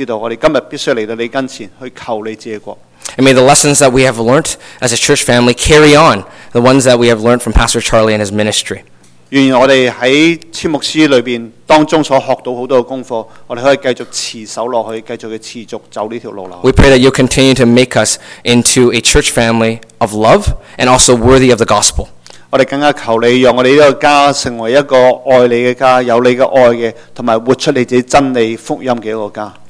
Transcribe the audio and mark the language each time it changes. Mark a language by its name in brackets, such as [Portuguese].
[Chinese] 父神,當我們今天一起去聽到先求你的國和你的義的詩歌的時候,我們同樣很知道,我們今天必須來到你跟前去求你自己的國。 [English] And may the lessons that we have learnt as a church family carry on the ones that we have learnt from Pastor Charlie and his ministry. [Chinese] 願我們在千牧師裡面當中所學到很多的功課,我們可以繼續持守下去,繼續持續走這條路。 [English] We pray that you continue to make us into a church family of love and also worthy of the gospel. [Chinese] 我們更加求你讓我們這個家成為一個愛你的家,有你的愛的,以及活出你自己真理福音的一個家。